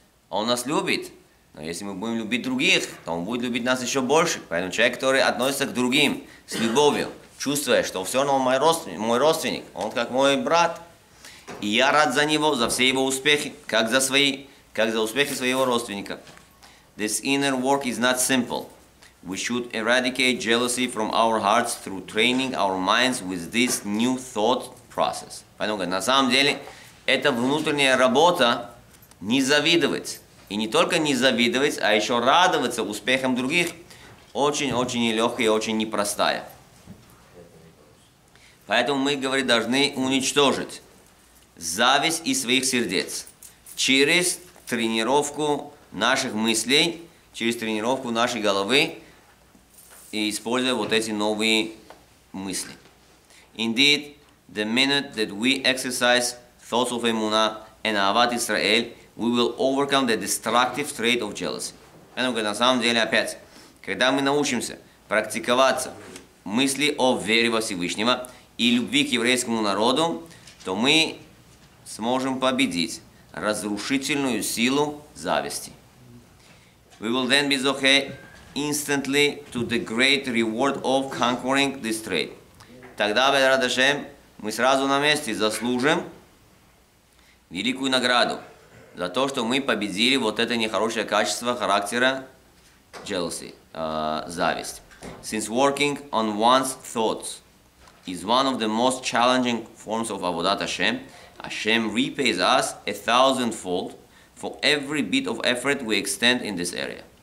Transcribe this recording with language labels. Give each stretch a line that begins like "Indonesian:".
Russian: Он нас любит, но если мы будем любить других, то он будет любить нас еще больше. Поэтому человек, который относится к другим с любовью, чувствуя, что все равно он мой родственник, он как мой брат, и я рад за него, за все его успехи, как за успехи своего родственника.
English: This inner work is not simple. We should eradicate jealousy from our hearts through training our minds with this new thought process.
Russian: Поэтому на самом деле это внутренняя работа не завидовать. И не только не завидовать, а еще радоваться успехам других очень-очень нелегкая и очень непростая. Поэтому мы, говорит, должны уничтожить зависть из своих сердец через тренировку наших мыслей, через тренировку нашей головы и используя вот эти новые мысли.
English: Indeed, the minute that we exercise thoughts of Emuna and Ahavat Israel, we will overcome the destructive trait of jealousy.
Russian: Поэтому, говорит, на самом деле, опять, когда мы научимся практиковаться мысли о вере во Всевышнего и любви к еврейскому народу, то мы сможем победить разрушительную силу зависти.
English: We will then be zoche instantly to the great reward of conquering this trait.
Russian: Тогда, Бедра Дашем, мы сразу на месте заслужим великую награду за то, что мы победили вот это нехорошее качество характера jealousy, зависть.
English: Since working on one's thoughts is one of the most challenging forms of Avodat Hashem, Hashem repays us a thousandfold for every bit of effort we extend in this area.